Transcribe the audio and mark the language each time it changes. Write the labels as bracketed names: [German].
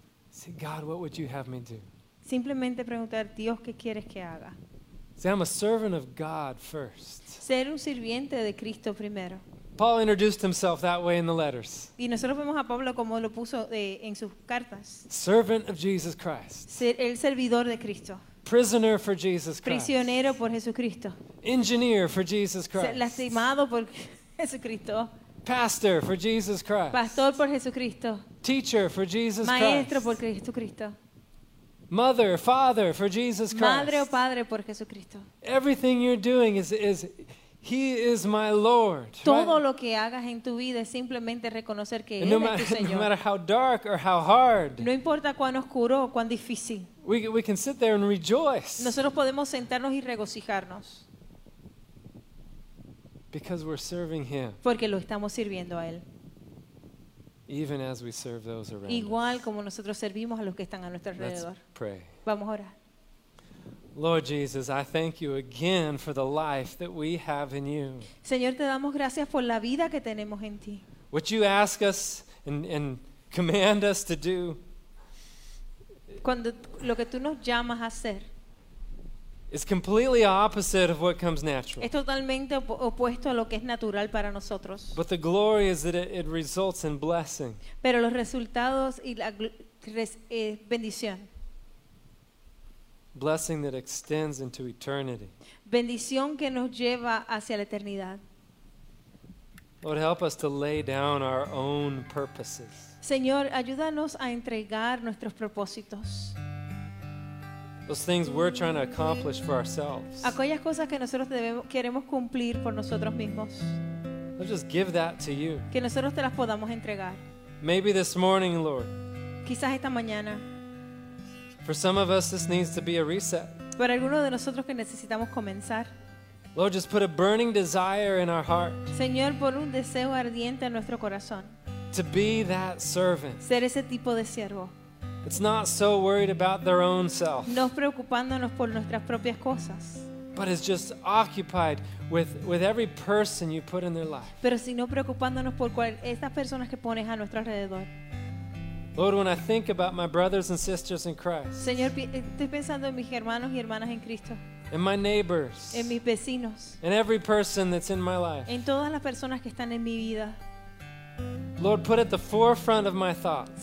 [English] Say, God, what would you have me do? [Spanish] Simplemente preguntar, Dios, ¿qué quieres que haga? [English] Say, I'm a servant of God first. [Spanish] Ser un sirviente de Cristo primero. [English] Paul introduced himself that way in the letters. [Spanish] Y nosotros vemos a Pablo como lo puso en sus cartas. [English] Servant of Jesus Christ. [Spanish] El servidor de Cristo. [English] Prisoner for Jesus Christ. [Spanish] Prisionero por Jesucristo. [English] Engineer for Jesus Christ. [Spanish] Lastimado por Jesucristo. [English] Pastor for Jesus Christ. [Spanish] Pastor por Jesucristo. [English] Teacher for Jesus [Spanish] Maestro [English] Christ. [Spanish] Maestro por Jesucristo. [English] Mother, father for Jesus Christ. [Spanish] Madre o padre por Jesucristo. [English] Everything you're doing is He is my Lord. [Spanish] Todo [English] right? [Spanish] Lo que hagas en tu vida es simplemente reconocer que [English] and [Spanish] Él no es tu Señor. [English] No matter how dark or how hard. [Spanish] No importa cuán oscuro o cuán difícil. [English] We can sit there and rejoice. [Spanish] Nosotros podemos sentarnos y regocijarnos. [English] Because we're serving Him. [Spanish] Porque lo estamos sirviendo a Él. [English] Even as we serve those around us. [Spanish] Igual como nosotros servimos a los que están a nuestro alrededor. [English] Let's pray. [Spanish] Vamos a orar. [English] Lord Jesus, I thank you again for the life that we have in you. [Spanish] Señor, te damos gracias por la vida que tenemos en ti. [English] What you ask us and command us to do. [Spanish] Cuando lo que tú nos llamas a hacer. [English] Is completely opposite of what comes natural. [Spanish] Es totalmente opuesto a lo que es natural para nosotros. [English] But the glory is that it results in blessing. [Spanish] Pero los resultados y la bendición. [English] Blessing that extends into eternity. [Spanish] Bendición que nos lleva hacia la eternidad. [English] Lord, help us to lay down our own purposes. [Spanish] Señor, ayúdanos a entregar nuestros propósitos. [English] Those things we're trying to accomplish for ourselves. [Spanish] Aquellas cosas que nosotros queremos cumplir por nosotros mismos. [English] Let's just give that to you. [Spanish] Que nosotros te las podamos entregar. [English] Maybe this morning, Lord. [Spanish] Quizás esta mañana. [English] For some of us, this needs to be a reset. [Spanish] Para algunos de nosotros que necesitamos comenzar. [English] Lord, just put a burning desire in our heart. [Spanish] Señor, pon un deseo ardiente en nuestro corazón. [English] To be that servant. [Spanish] Ser ese tipo de siervo. [English] It's not so worried about their own self. [Spanish] No preocupándonos por nuestras propias cosas. [English] But it's just occupied with every person you put in their life. [Spanish] Pero sino preocupándonos por estas personas que pones a nuestro alrededor. [English] Lord, when I think about my brothers and sisters in Christ. [Spanish] Señor, estoy pensando en mis hermanos y hermanas en Cristo. [English] And my neighbors. [Spanish] En mis vecinos. [English] And every person that's in my life. [Spanish] En todas las personas que están en mi vida. [English] Lord, put at the forefront of my thoughts.